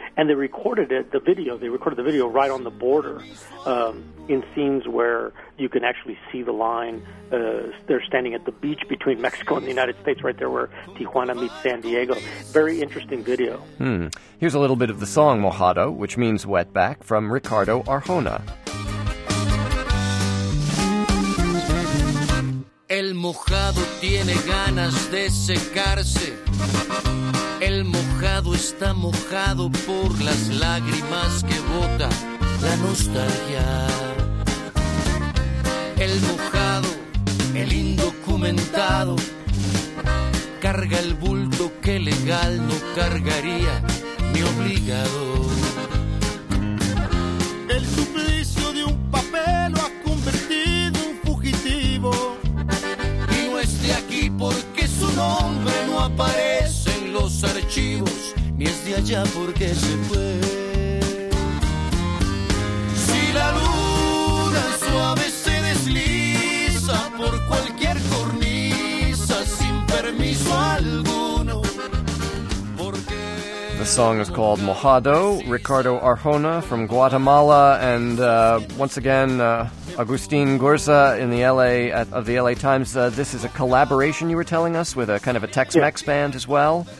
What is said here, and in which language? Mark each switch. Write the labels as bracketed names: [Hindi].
[English] And they recorded it, the video, right on the border in scenes where you can actually see the line. They're standing at the beach between Mexico and the United States, right there where Tijuana meets San Diego. Very interesting video. Hmm. Here's a little bit of the song Mojado, which means wetback, from Ricardo Arjona. [Spanish] El mojado tiene ganas de secarse. El mojado está mojado por las lágrimas que bota la nostalgia. El mojado, el indocumentado, carga el bulto que legal no cargaría ni obligado. El suplicio de un papel lo ha convertido en fugitivo. Y no esté aquí porque su nombre no aparece. Los archivos, ni es de allá porque se fue. Si la luna suave se desliza por cualquier cornisa sin permiso alguno, porque... [English] The song is called Mojado, Ricardo Arjona from Guatemala, and once again... Agustin Gurza in the LA of the LA Times. This is a collaboration you were telling us with a kind of a Tex-Mex band as well.